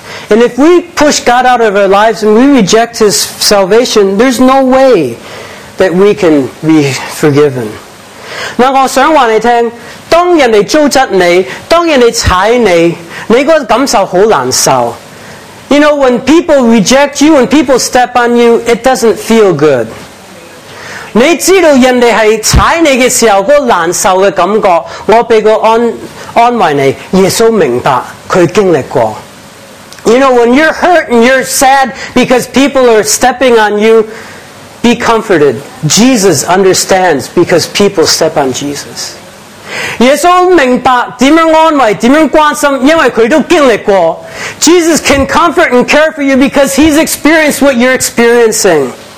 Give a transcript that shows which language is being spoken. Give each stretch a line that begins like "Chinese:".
English: And if we push God out of our lives and we reject His salvation, there's no way that we can be forgiven.
Chinese: 那我想问你听，当人家诅咒你，当人家踩你，你那个感受好难受。
English: You know, when people reject you, when people step on you, it doesn't feel good.
Chinese: 你知道人家是踩你的时候，那个难受的感觉，我被个安慰你，耶稣明白，他经历过。
English: You know, when you're hurt and you're sad because people are stepping on you, be comforted. Jesus understands because people step on Jesus.
Chinese: 耶稣明白怎样安慰，怎样关心，因为他都经历过。
English: Jesus can comfort and care for you because He's experienced what you're experiencing.